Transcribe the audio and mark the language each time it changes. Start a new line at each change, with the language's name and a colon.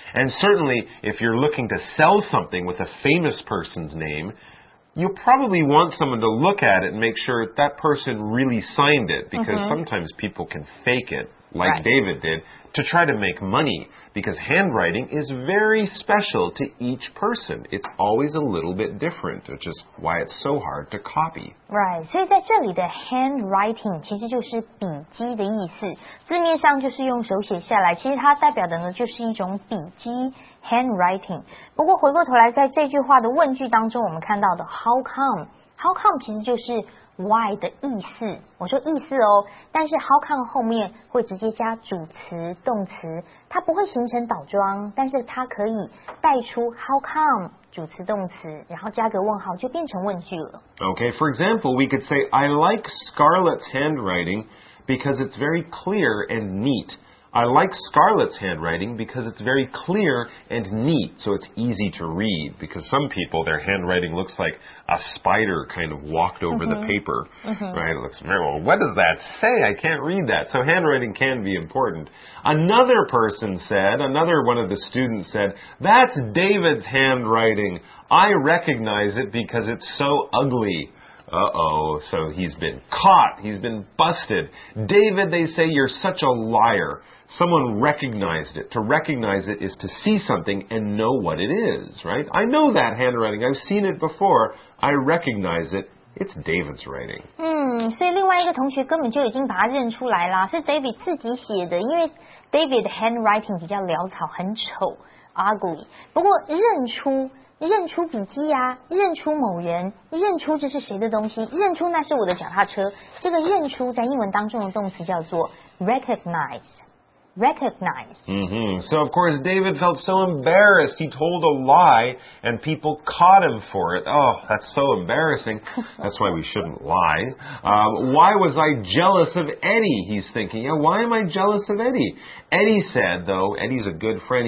English: And certainly, if you're looking to sell something with a famous person's name, you'll probably want someone to look at it and make sure that person really signed it, because sometimes people can fake it, like David did, to try to make money, because handwriting is very special to each person. It's always a little bit different, which is why it's so hard to copy.
Chinese: Right, 所以在这里的 handwriting 其实就是笔迹的意思，字面上就是用手写下来，其实它代表的呢就是一种笔迹 handwriting。不过回过头来，在这句话的问句当中，我们看到的 how come。 How come 其实就是 why 的意思，我说意思哦，但是 how come 后面会直接加主词动词，它不会形成倒装，但是它可以带出 how come 主词动词，然后加个问号就变成问句了。
English: Okay, for example, we could say I like Scarlett's handwriting because it's very clear and neat. I like Scarlett's handwriting because it's very clear and neat, so it's easy to read, because some people, their handwriting looks like a spider kind of walked over the paper, right? It looks very well. What does that say? I can't read that. So handwriting can be important. Another person said, another one of the students said, that's David's handwriting. I recognize it because it's so ugly. Uh-oh, so he's been caught. He's been busted. David, they say you're such a liar. Someone recognized it. To recognize it is to see something and know what it is, right? I know that handwriting. I've seen it before. I recognize it. It's David's writing.
Chinese: 所以另外一个同学根本就已经把它认出来了，是 David 自己写的，因为 David handwriting 比较潦草，很丑， ugly. 不过认出笔记啊，认出某人，认出这是谁的东西，认出那是我的脚踏车。这个认出在英文当中的动词叫做 recognize.
English: So of course David felt so embarrassed. He told a lie and people caught him for it. Oh, that's so embarrassing. That's why we shouldn't lie. Why was I jealous of Eddie? He's thinking, yeah, why am I jealous of Eddie? Eddie said, though, Eddie's a good friend.